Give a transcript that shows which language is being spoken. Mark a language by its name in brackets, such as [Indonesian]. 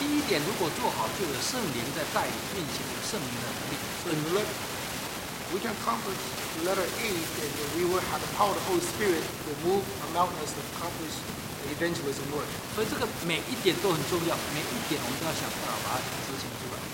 [Chinese] 第一点如果做好，就有圣灵在带领运行，有圣灵的能力。 [English] So we can accomplish letter A, and we will have the power of the Holy Spirit to move among us to accomplish. Evangelism work. [Chinese] 所以这个每一点都很重要，每一点我们都要想办法把它执行出来。